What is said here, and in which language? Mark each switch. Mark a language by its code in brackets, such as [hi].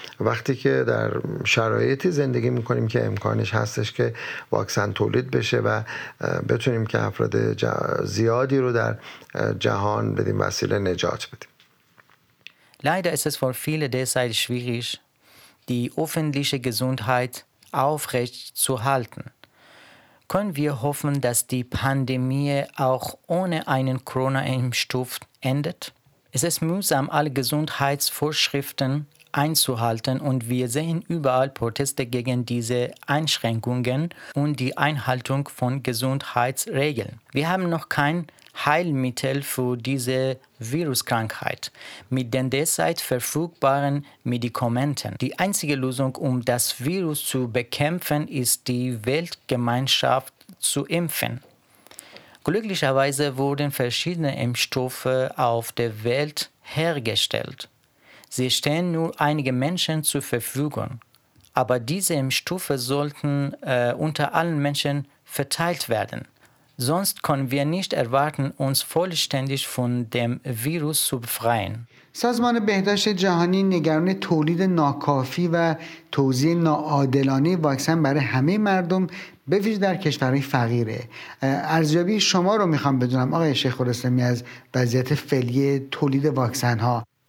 [fa] وقتی که در شرایطی زندگی میکنیم که امکانش هستش که واکسن تولید بشه و بتونیم که افراد زیادی رو در جهان بدیم وسیله نجات بدیم. [de] Leider ist es für viele derzeit schwierig, die öffentliche Gesundheit aufrecht zu halten. Können wir hoffen, dass die Pandemie auch ohne einen Corona-Impfstoff endet? Es ist mühsam, alle Gesundheitsvorschriften einzuhalten und wir sehen überall Proteste gegen diese Einschränkungen und die Einhaltung von Gesundheitsregeln. Wir haben noch kein Heilmittel für diese Viruskrankheit mit den derzeit verfügbaren Medikamenten. Die einzige Lösung, um das Virus zu bekämpfen, ist die Weltgemeinschaft zu impfen. Glücklicherweise wurden verschiedene Impfstoffe auf der Welt hergestellt. Sie stehen nur einigen Menschen zur Verfügung. Aber diese Impfstoffe sollten unter allen Menschen verteilt werden. Sonst können wir nicht erwarten, uns vollständig von dem Virus zu befreien. [fa] سازمان بهداشت جهانی نگران تولید ناکافی و توزیع ناعادلانه واکسن برای همه مردم به ویژه در کشورهای فقیره. ارزیابی شما رو میخوام بدونم آقای شیخ رستمی از وضعیت فعلی تولید واکسن ها.